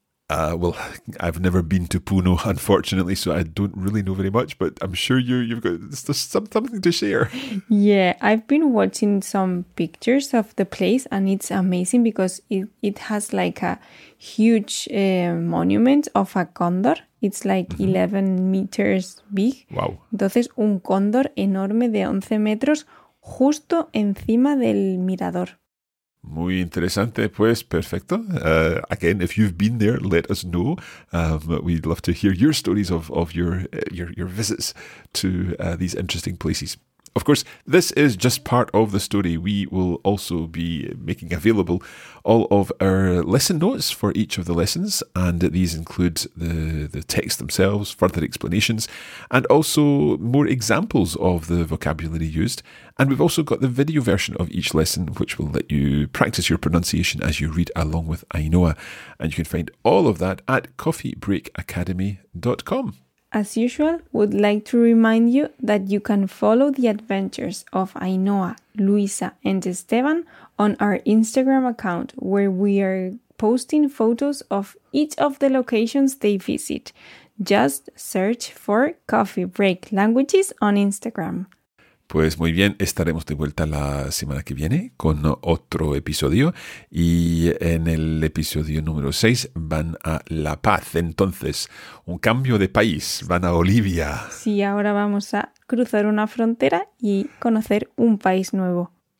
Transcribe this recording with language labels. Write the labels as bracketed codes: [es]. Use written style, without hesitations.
[en] Well, I've never been to Puno, unfortunately, so I don't really know very much, but I'm sure you've got something to share. Yeah, I've been watching some pictures of the place, and it's amazing because it has like a huge monument of a cóndor. It's like 11 meters big. Wow. [es] Entonces, un cóndor enorme de 11 metros justo encima del mirador. Muy interesante, pues, perfecto. [en] Again, if you've been there, let us know. We'd love to hear your stories of your visits to these interesting places. Of course, this is just part of the story. We will also be making available all of our lesson notes for each of the lessons, and these include the text themselves, further explanations, and also more examples of the vocabulary used. And we've also got the video version of each lesson, which will let you practice your pronunciation as you read along with Ainhoa. And you can find all of that at coffeebreakacademy.com. As usual, would like to remind you that you can follow the adventures of Ainhoa, Luisa and Esteban on our Instagram account, where we are posting photos of each of the locations they visit. Just search for Coffee Break Languages on Instagram. [es] Pues muy bien, estaremos de vuelta la semana que viene con otro episodio. Y en el episodio número 6 van a La Paz. Entonces, un cambio de país, van a Bolivia. Sí, ahora vamos a cruzar una frontera y conocer un país nuevo.